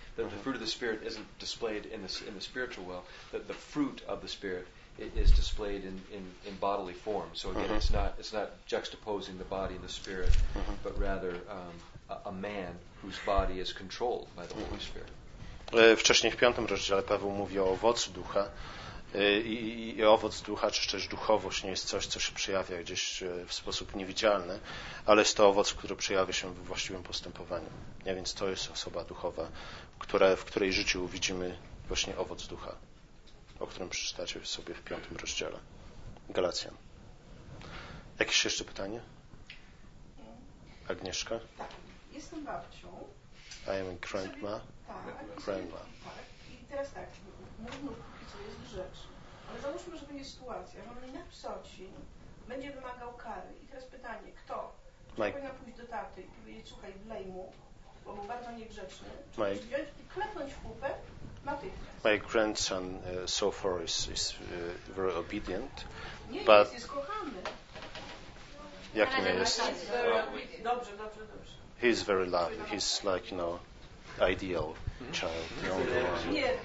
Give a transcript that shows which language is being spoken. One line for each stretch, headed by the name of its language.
English: The fruit of the spirit isn't displayed in the spiritual well. The fruit of the spirit is displayed in bodily form. So again, mm-hmm. it's not juxtaposing the body and the spirit, mm-hmm. but rather a man whose body is controlled by the mm-hmm. Holy Spirit.
Polish: Wcześniej w piątym rozdziale Paweł mówi o owocu ducha i owoc ducha, czy też duchowość, nie jest coś, co się przejawia gdzieś w sposób niewidzialny, ale jest to owoc, który przejawia się w właściwym postępowaniu. A więc to jest osoba duchowa, w której życiu widzimy właśnie owoc ducha, o którym przeczytacie sobie w piątym rozdziale Galacjan. Jakieś jeszcze pytanie? Agnieszka? Tak, jestem babcią.
English: I am a grandma. Grandma.
Polish: I teraz tak, mój mąż póki co jest grzeczny. Ale załóżmy, że będzie sytuacja, że on mnie na psoci będzie wymagał kary. I teraz pytanie, kto? Czy powinna pójść do taty i powiedzieć, słuchaj, wlej mu, bo był bardzo niegrzeczny. Czy wziąć i klepnąć w kupę natychmiast?
English: My grandson so far is very obedient.
Polish: Nie jest, jest kochany. Jak nie jest? Dobrze.
English: He is very loved. He's like, you know, ideal child, the only one.